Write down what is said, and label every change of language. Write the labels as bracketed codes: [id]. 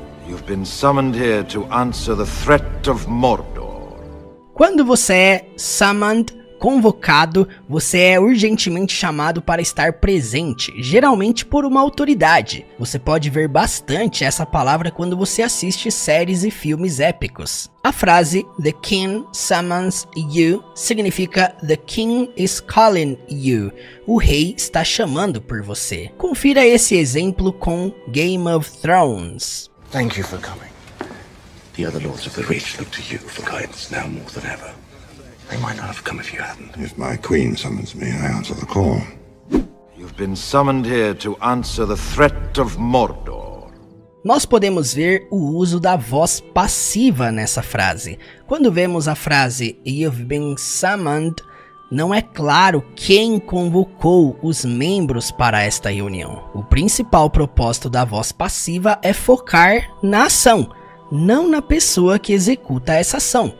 [en] You've been summoned here to answer the threat of Mordor. [pt] Quando você é summoned, convocado, você é urgentemente chamado para estar presente, geralmente por uma autoridade. Você pode ver bastante essa palavra quando você assiste séries e filmes épicos. A frase [en] "The king summons you" [pt] significa [en] "The king is calling you", [pt] o rei está chamando por você. Confira esse exemplo com Game of Thrones. [en] Thank you for coming. The other lords of the reach look to you for guidance now more than ever. They might not have come if you hadn't. If my queen summons me, I answer the call. You've been summoned here to answer the threat of Mordor. [pt] Nós podemos ver o uso da voz passiva nessa frase. Quando vemos a frase [en] "You've been summoned", [pt] não é claro quem convocou os membros para esta reunião. O principal propósito da voz passiva é focar na ação, não na pessoa que executa essa ação.